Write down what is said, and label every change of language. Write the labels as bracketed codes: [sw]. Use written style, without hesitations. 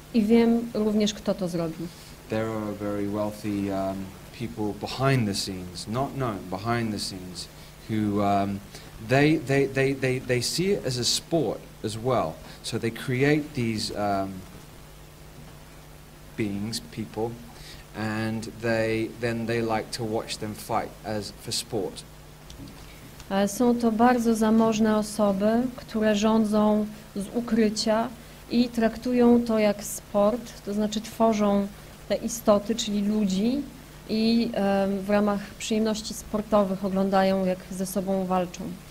[pl] I wiem również, kto to zrobił. [en] There are very wealthy people behind the scenes, not known, behind the scenes, who they see it as a sport as well. So they create these beings, people, and they like to watch them fight as for sport. [pl] Są to bardzo zamożne osoby, które rządzą z ukrycia i traktują to jak sport, to znaczy tworzą te istoty, czyli ludzi, i w ramach przyjemności sportowych oglądają, jak ze sobą walczą.